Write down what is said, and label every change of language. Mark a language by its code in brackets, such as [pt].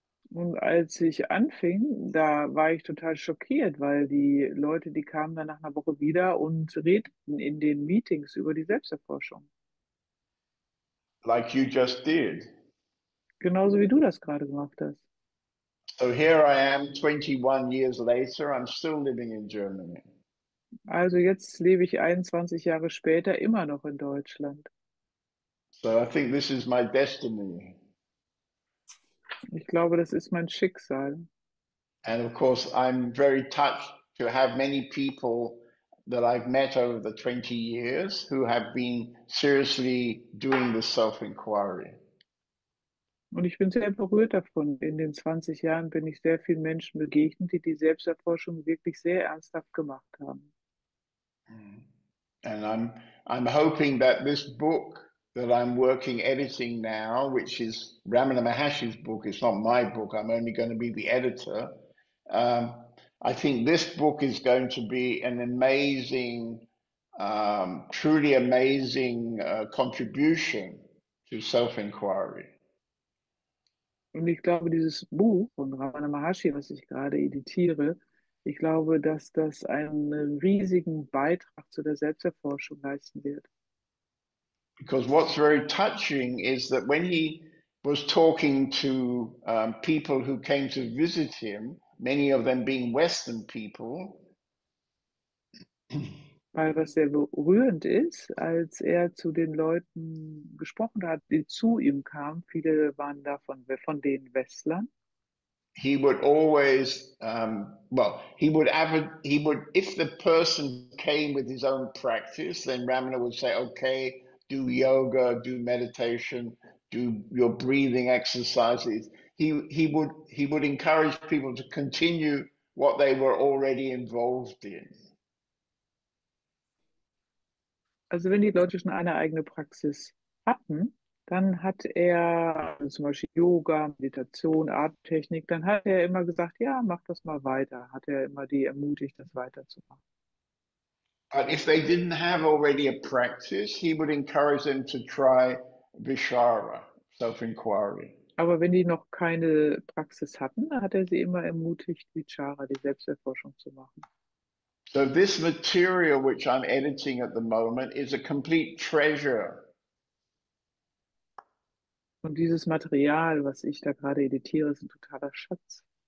[de] Und als ich anfing, da war ich total schockiert, weil die Leute, die kamen dann nach einer Woche wieder und redeten in den Meetings über die Selbsterforschung. [en] Like you just did. [de] Genauso wie du das gerade gemacht hast. [en] So here I am, 21 years later, I'm still living in Germany. [de] Also jetzt lebe ich 21 Jahre später immer noch in Deutschland. [en] So I think this is my destiny. [de] Ich glaube, das ist mein Schicksal. [en] And of course, I'm very touched to have many people that I've met over the 20 years who have been seriously doing the self-inquiry. [de] Und ich bin sehr berührt davon. In den 20 Jahren bin ich sehr vielen Menschen begegnet, die die Selbsterforschung wirklich sehr ernsthaft gemacht haben. [en] And I'm hoping that this book that I'm working editing now, which is Ramana Maharshi's book, it's not my book, I'm only going to be the editor. I think this book is going to be an amazing, truly amazing contribution to self-inquiry. [de] Und ich glaube, dieses Buch von Ramana Maharshi, was ich gerade editiere, ich glaube, dass das einen riesigen Beitrag zu der Selbsterforschung leisten wird. [en] Because what's very touching is that when he was talking to people who came to visit him, many of them being Western people. [de] Weil was sehr berührend ist, als er zu den Leuten gesprochen hat, die zu ihm kamen, viele waren davon von den Westlern. [en] He would always, if the person came with his own practice, then Ramana would say, okay, do yoga, do meditation, do your breathing exercises. He would encourage people to continue what they were already involved in. [de] Also wenn die Leute schon eine eigene Praxis hatten, dann hat er zum Beispiel Yoga, Meditation, Atemtechnik, dann hat er immer gesagt, ja, mach das mal weiter. Hat er immer die ermutigt, das weiterzumachen. [en] But if they didn't have already a practice, he would encourage them to try Vishara, self-inquiry. [de] Aber wenn die noch keine Praxis hatten, dann hat er sie immer ermutigt, Vichara, die Selbsterforschung zu machen. [en] So this material, which I'm editing at the moment, is a complete treasure. [de] Und dieses Material, was ich da gerade editiere, ist ein totaler Schatz.